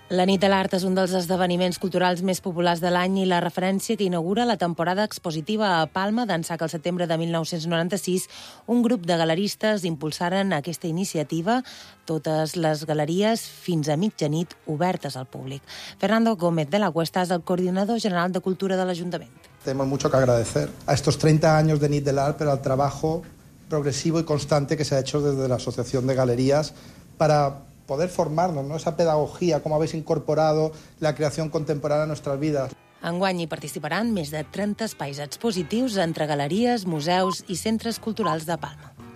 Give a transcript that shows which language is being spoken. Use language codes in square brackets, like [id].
[ca] La Nit de l'Art és un dels esdeveniments culturals més populars de l'any i la referència que inaugura la temporada expositiva a Palma d'ençà que el setembre de 1996 un grup de galeristes impulsaren aquesta iniciativa, totes les galeries fins a mitjanit obertes al públic. Fernando Gómez de la Cuesta és el coordinador general de Cultura de l'Ajuntament. [es] Tenemos mucho que agradecer a estos 30 años de Nit de l'Art por el trabajo progresivo y constante que se ha hecho desde la Asociación de Galerías para poder formarnos, ¿no? Esa pedagogía, cómo habéis incorporado la creación contemporánea a nuestras vidas. [ca] Enguany hi participaran més de 30 espais expositius entre galeries, museus i centres culturals de Palma.